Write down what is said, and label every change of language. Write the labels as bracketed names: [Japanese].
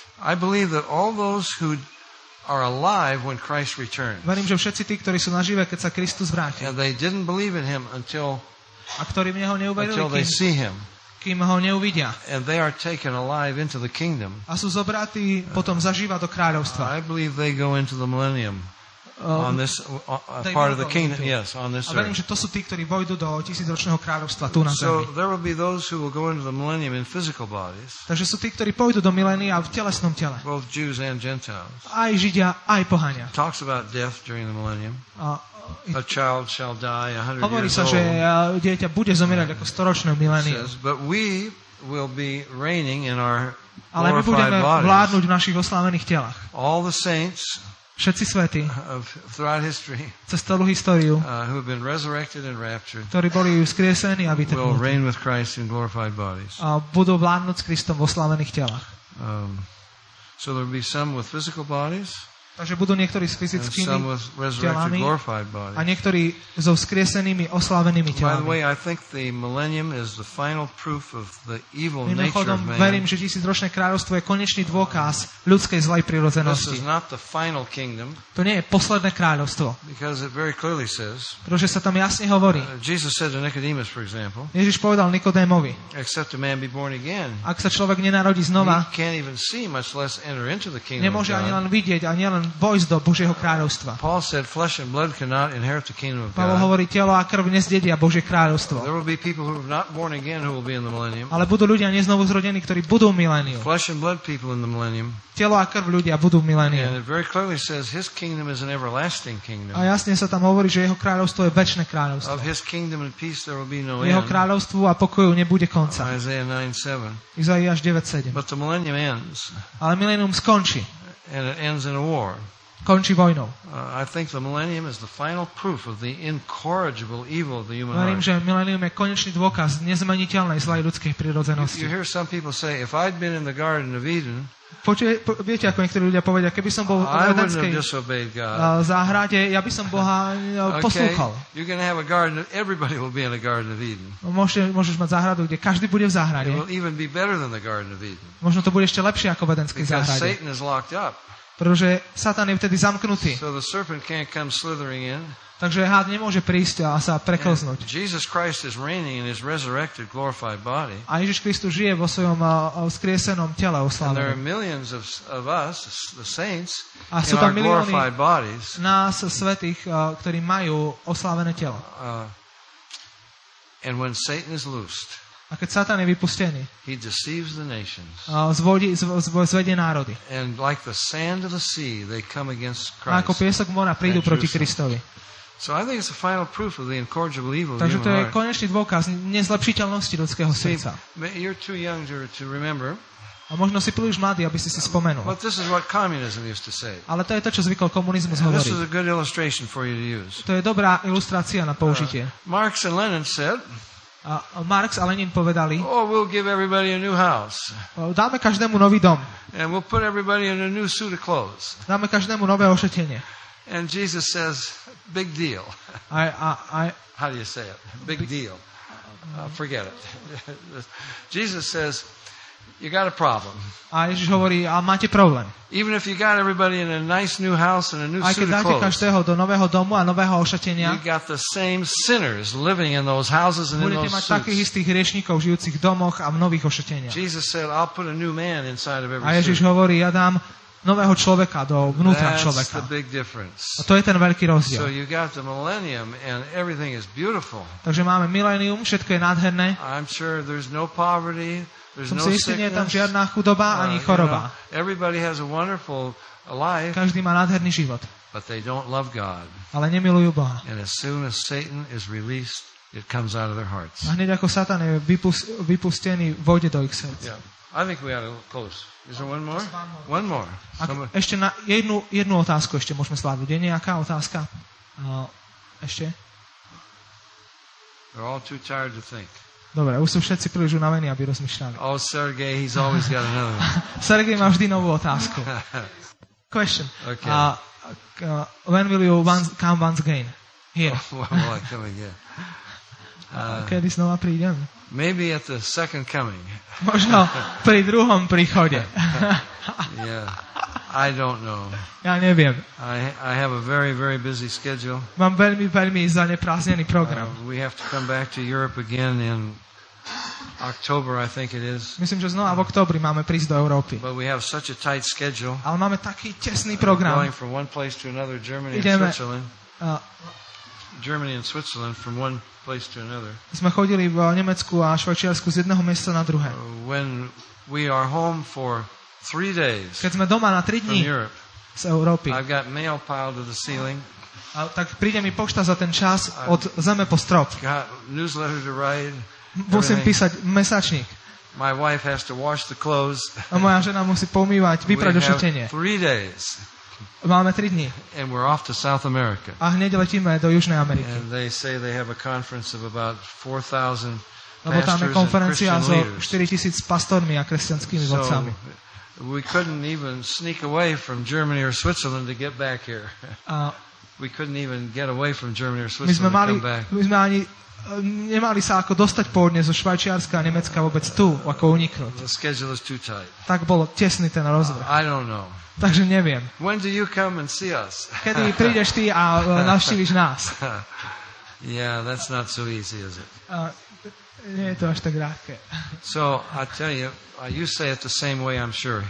[English] I believe that all those who are alive when Christ returns. [Slovak] Verím, že všetci tí, ktorí sú nažive, keď sa Kristus vráti. [English] And they didn't believe in him until [Slovak] a ktorí v neho neuverili, [English] until they see him. [Slovak] Kým ho neuvidia. [English] And they are taken alive into the kingdom. [Slovak] A sú zobratí potom zaživa do kráľovstva. [English] I believe they go into the millennium. On this part of the kingdom, yes, on this earth. [Slovak] A verím, že to sú tí, ktorí vojdu do tisícročného kráľovstva tu na zemi. [English] So there will be those who will go into the millennium in physical bodies. [Slovak] Takže sú tí, ktorí pôjdu do milénia v telesnom tele. [English] Both Jews and Gentiles. [Slovak] Aj Židia, aj pohania. [English] Talks about death during the millennium. A child shall die 100 years old. [Slovak] Hovorí sa, že dieťa bude zomierať ako storočné v milénii. [English] But we will be reigning in our glorified bodies. [Slovak] Ale my budeme vládnuť v našich oslávených telách. [English] All the saints. [Slovak] Všetci svätí [English] throughout history, [Slovak] cez celú históriu, [English] who have been resurrected and raptured, [Slovak] ktorí boli vzkriesení a vytrhnutí, [English] will reign with Christ in glorified bodies. [Slovak] A budú vládnuť s Kristom v oslavených telách. [English] So there will be some with physical bodies. [Slovak] Takže budú niektorí s fyzickými [English] and some with resurrected, [Slovak] telami, [English] glorified bodies. [Slovak] A niektorí so vzkriesenými oslavenými telami. [English] By the way, I think the millennium is the final proof of the evil nature of man. [Slovak] Verím, že tisícročné kráľovstvo je konečný dôkaz ľudskej zlej prirodzenosti. [English] This is not the final kingdom. [Slovak] To nie je posledné kráľovstvo. [English] Because it very clearly says. [Slovak] Pretože sa tam jasne hovorí. [English] Jesus said to Nicodemus, for example. [Slovak] Ježiš povedal Nikodémovi. [English] Except a man be born again. [Slovak] Ak sa človek nenarodí znova. [English] He can't even see, much less enter into the kingdom. [Slovak] Nemôže ani len vidieť, ani len vojsť do Božieho kráľovstva. [English] Paul said flesh and blood cannot inherit the kingdom of God. [Slovak] Pavol hovorí, telo a krv nezdedia Božie kráľovstvo. [English] There will be people who are not born again who will be in the millennium. [Slovak] Ale budú ľudia neznovu zrodení, ktorí budú v miléniu. [English] Flesh and blood people in the millennium. [Slovak] Telo a krv ľudia budú v miléniu. [English] And it very clearly says his kingdom is an everlasting kingdom. [Slovak] A jasne sa tam hovorí, že jeho kráľovstvo je večné kráľovstvo. [English] Of his kingdom and peace there will be no end. [Slovak] Jeho kráľovstvu a pokoju nebude konca. [English] Isaiah 9:7. But the millennium ends. [Slovak] Ale milénium skončí. [English] And it ends in a war. [Slovak] Končí vojnou. [English] I think the millennium is the final proof of the incorrigible evil of the human heart. [Slovak] Verím, že milénium je konečný dôkaz nezmeniteľnej zlej ľudskej prirodzenosti. [English] You hear some people say, if I'd been in the Garden of Eden, [Slovak] viete, ako niektorí ľudia povedia, keby som bol v edenskej záhrade, ja by som Boha poslúchal. [English] You're going to have a garden, everybody will be in a Garden of Eden. [Slovak] Môžeš mať záhradu, kde každý bude v záhrade. [English] It will even be better than the Garden of Eden. [Slovak] Možno to bude ešte lepšie ako v edenskej záhrade. [English] Satan is locked up. [Slovak] Pretože Satan je vtedy zamknutý. [English] So the serpent can't come slithering in. [Slovak] Takže had nemôže prísť a sa preklznúť. [English] Jesus Christ is reigning in his resurrected glorified body. [Slovak] A Ježiš Kristus žije vo svojom vzkriesenom tele oslávenom. [English] There are millions of us, the saints, [Slovak] a sú tam milióny [English] bodies, [Slovak] nás svätých, ktorí majú oslávené telo. [English] And when Satan is loosed, [Slovak] a keď Satan je vypustený, [English] he deceives the nations. [Slovak] Zvedie národy. [English] And like the sand of the sea, they come against Christ. [Slovak] A ako piesok mora, prídu proti Kristovi. [English] So I think it's the final proof of the incorrigible evil of the human. [Slovak] Takže to je konečný dôkaz nezlepšiteľnosti ľudského srdca. [English] You're too young to remember. [Slovak] A možno si príliš mladý, aby si si spomenul. [English] But this is what communism used to say. [Slovak] Ale to je to, čo zvykol komunizmus hovoriť. [English] This is a good illustration for you to use. [Slovak] To je dobrá ilustrácia na použitie. [English] Marx and Lenin said. [Slovak] A Marx a Lenin povedali. [English] Oh, we'll give everybody a new house. [Slovak] Dáme každému nový dom. [English] And we'll put everybody in a new suit of clothes. [Slovak] Dáme každému nové ošatenie. [English] And Jesus says, big deal. I how do you say it? Big deal. Forget it. Jesus says, you got a problem. [Slovak] A Ježiš hovorí, a máte problém. [English] Even if you got everybody in a nice new house and a new suit of clothes. [Slovak] Aj keď dáte každého do nového domu a nového ošatenia. [English] You got the same sinners living in those houses and in those suits. [Slovak] Budete mať takých istých hriešnikov žijúcich v domoch a v nových ošateniach. [English] Jesus said, I'll put a new man inside of every suit. [Slovak] A Ježiš hovorí, ja dám nového človeka do vnútra človeka. [English] That's the big difference. [Slovak] A to je ten veľký rozdiel. [English] So you got the millennium and everything is beautiful. [Slovak] Takže máme milénium, všetko je nádherné. [English] I'm sure there's no poverty, there's [Slovak] som [English] no [Slovak] si [English] sickness. [Slovak] Istý, nie je tam žiadna chudoba ani choroba. [English] You know, everybody has a wonderful life. [Slovak] Každý má nádherný život. [English] But they don't love God. [Slovak] Ale nemilujú Boha. [English] And as soon as Satan is released, it comes out of their hearts. [Slovak] A hneď ako Satan je vypustený, vôjde do ich srdc. [English] Yeah. I think we are close. Is there one more? One more. [Slovak] Ešte na jednu otázku ešte môžeme zvládnuť. Je nejaká otázka? Ešte? [English] They're all too tired to think. [Slovak] Dobre, už sú všetci príliš unavení, aby rozmýšľali. [English] Oh, Sergej, he's always got another one. [Slovak] Sergej má vždy novú otázku. [English] Question. Okay. When will you come once again? Here. When will I come again? [Slovak] Kedy znova prídem? [English] Maybe at the second coming. [Slovak] Možno pri druhom príchode. [English] Yeah. I don't know. [Slovak] Ja neviem. [English] I have a very very busy schedule. [Slovak] Mám veľmi veľmi zaneprázdnený program. [English] We have to come back to Europe again in October, I think it is. [Slovak] Myslím, že znova v októbri máme prísť do Európy. [English] But we have such a tight schedule. [Slovak] Ale máme taký tesný program. [English] Going from one place to another, Germany and Switzerland. Germany and Switzerland from one place to another. [Slovak] Sme chodili v Nemecku a Švajčiarsku z jedného miesta na druhé. [English] When we are home for 3 days. [Slovak] Keď sme doma na 3 dní z Európy. [English] I've got mail piled to the ceiling. [Slovak] A tak príde mi pošta za ten čas od zeme po strop. [English] Got newsletter to write. [Slovak] Musím písať mesačník. [English] My wife has to wash the clothes. [Slovak] A moja žena musí pomývať, vyprať ošatenie. [English] 3 days. [Slovak] Máme 3 dní. [English] And we're off to South America. [Slovak] A hneď letíme do Južnej Ameriky. [English] And they say they have a conference of about 4000 pastors. [Slovak] Lebo tam je konferencia so 4000 pastormi a kresťanskými vodcami. [English] We couldn't even sneak away from Germany or Switzerland to get back here. We couldn't even get away from Germany or Switzerland to come back. [Slovak] My sme ani nemali sa ako dostať pôvodne zo Švajčiarska a Nemecka vôbec tu, ako uniknúť. [English] The schedule is too tight. [Slovak] Tak bol tesný ten rozvrh. [English] I don't know. [Slovak] Takže neviem. [English] When do you come and see us? [Slovak] Kedy prídeš ty a navštíviš nás? [English] Yeah, that's not so easy, is it? [Slovak] Nie je to až tak ľahké. [English] So, I tell you, you say it the same way, I'm sure.